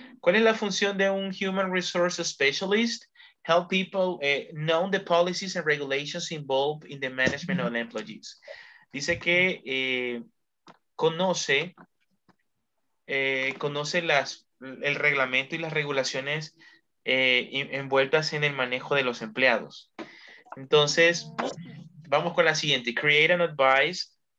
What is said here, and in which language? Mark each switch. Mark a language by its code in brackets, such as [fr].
[es] ¿Cuál es la función de un [en] human resource specialist? Help people know the policies and regulations involved in the management of employees. [es] Dice que conoce el reglamento y las regulaciones envueltas en el manejo de los empleados. Entonces, vamos con la siguiente. [en] Create and advise.